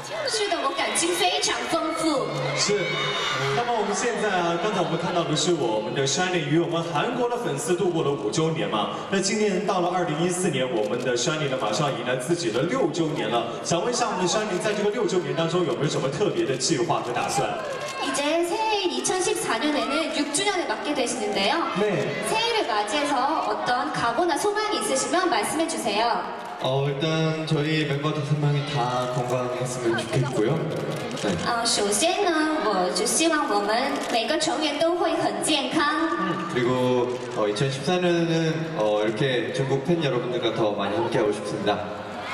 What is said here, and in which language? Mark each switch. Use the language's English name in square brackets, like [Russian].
[Chinese] 是的，我感情非常丰富。是。那么我们现在啊，刚才我们看到的是我们的 Shining 与我们韩国的粉丝度过了5周年嘛？那今年到了2014年，我们的 Shining 呢马上迎来自己的6周年了。想问一下我们的 Shining 在这个6周年当中有没有什么特别的计划和打算？ [Korean] 이제 새해인 2014년에는 6주년에 맞게 되시는데요. 네. 새해를 맞이해서 어떤 각오나 소망이 있으시면 말씀해 주세요. 일단 저희 멤버 5명이 다 건강했으면 좋겠고요. [Chinese] 首先呢，我就希望我们每个成员都会很健康。 [Korean] 그리고 2014년에는 이렇게 중국 팬 여러분들과 더 많이 함께하고 싶습니다.